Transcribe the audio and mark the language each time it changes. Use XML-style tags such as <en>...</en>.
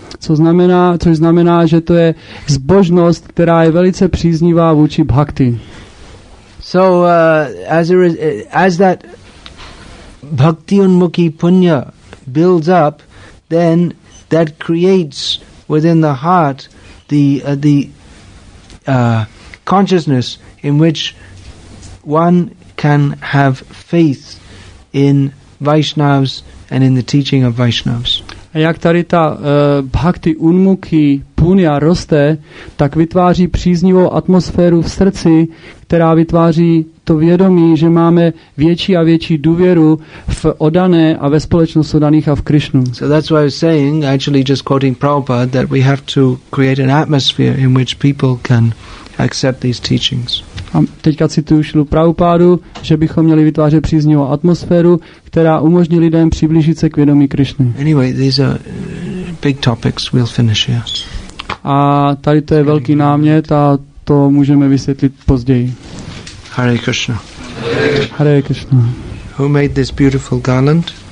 <cs>Což znamená, že to je zbožnost, která je velice příznivá vůči bhakti.</cs> <en>So, as that bhakti unmukhi punya builds up, then that creates within the heart the consciousness in which one can have faith in Vaishnavas and in the teaching of Vaishnavas.</en> <cs>A jak tady ta bhakti unmukhi punya roste, tak vytváří příznivou atmosféru v srdci, která vytváří to vědomí, že máme větší a větší důvěru v oddané a ve společnost oddaných a v Krišnu.</cs> <en>So that's why I was saying, actually just quoting Prabhupada, that we have to create an atmosphere in which people can accept these teachings.</en> <cs>A teďka cituju Šilu Prabhupádu, že bychom měli vytvářet příznivou atmosféru, která umožní lidem přiblížit se k vědomí Krišny.</cs> <en>Anyway, these are big topics, we'll finish here.</en> <cs>A tady to je velký námět a to můžeme vysvětlit později.</cs> <en>Hare Krishna. Hare Krishna. Who made this beautiful garland?</en>